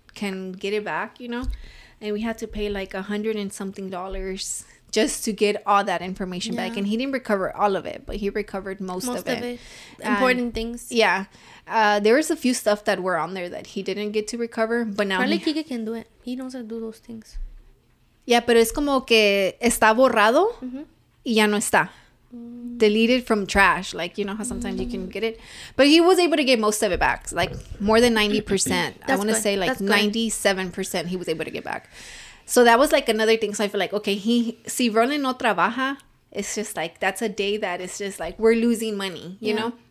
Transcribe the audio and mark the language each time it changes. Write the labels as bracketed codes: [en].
[en] can get it back, you know. And we had to pay like $100 and something just to get all that information back. And he didn't recover all of it, but he recovered most of it. Important things. Yeah. There was a few stuff that were on there that he didn't get to recover, but now probably Kike can do it. He knows how to do those things. [es] Yeah, pero es como que está borrado y ya no está. [en] Deleted from trash. Like, you know how sometimes you can get it. But he was able to get most of it back. Like, more than 90%. I want to say, like, 97% he was able to get back. So that was, like, another thing. So I feel like, okay, he, [es] si Ronan no trabaja, [en] it's just, like, that's a day that it's just, like, we're losing money, you know?